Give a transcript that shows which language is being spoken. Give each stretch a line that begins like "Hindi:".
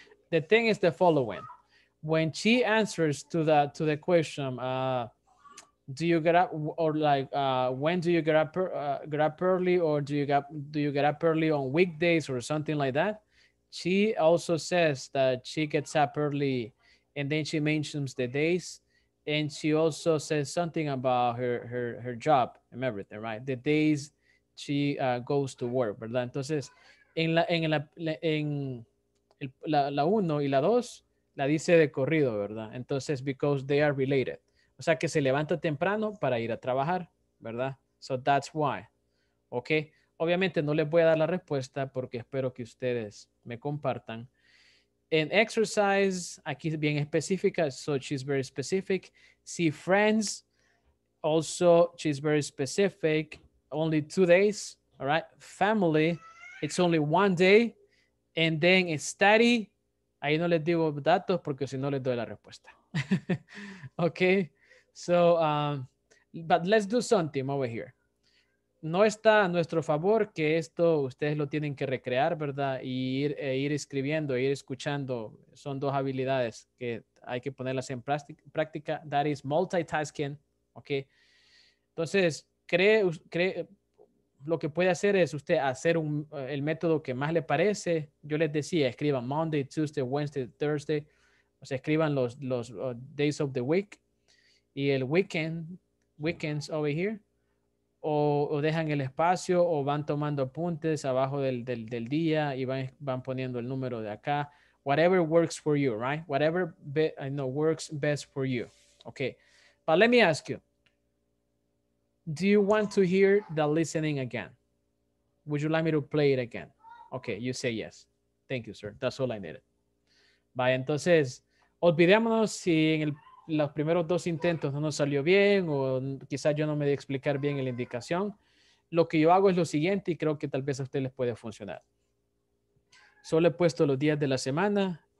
English: The thing is the following. When she answers to the question, do you get up, or like, when do you get up early, or do you get up early on weekdays or something like that? She also says that she gets up early, and then she mentions the days, and she also says something about her, her, her job and everything, right? The days she goes to work, ¿verdad?
Spanish: Entonces, en la uno y la dos, la dice de corrido, ¿verdad? Entonces,
English: because they are related.
Spanish: O sea, que se levanta temprano para ir a trabajar, ¿verdad?
English: So that's why.
Spanish: Okay. Obviamente, no les voy a dar la respuesta porque espero que ustedes me compartan. En exercise, aquí es bien específica,
English: so she's very specific. See friends, also she's very specific. Only 2 days, all right? Family, it's only 1 day. And then study,
Spanish: ahí no les digo datos porque si no les doy la respuesta.
English: Okay, so, but let's do something over here.
Spanish: No está a nuestro favor que esto ustedes lo tienen que recrear, ¿verdad? Y ir, ir escribiendo, ir escuchando. Son dos habilidades que hay que ponerlas en práctica.
English: That is multitasking, okay?
Spanish: Entonces, cree lo que puede hacer es usted hacer un, el método que más le parece. Yo les decía, escriban
English: Monday, Tuesday, Wednesday, Thursday.
Spanish: O sea, escriban los
English: days of the week.
Spanish: Y el weekends
English: over here.
Spanish: O dejan el espacio o van tomando apuntes abajo del día y van poniendo el número de acá.
English: Whatever works for you, right? Whatever works best for you. Okay. But let me ask you. Do you want to hear the listening again? Would you like me to play it again? Okay, you say yes. Thank you, sir. That's all I needed. Bye.
Spanish: Entonces, olvidémonos si en el, los primeros dos intentos no nos salió bien o quizás yo no me di a explicar bien la indicación. Lo que yo hago es lo siguiente y creo que tal vez a usted les puede funcionar. Solo he puesto los días de la semana.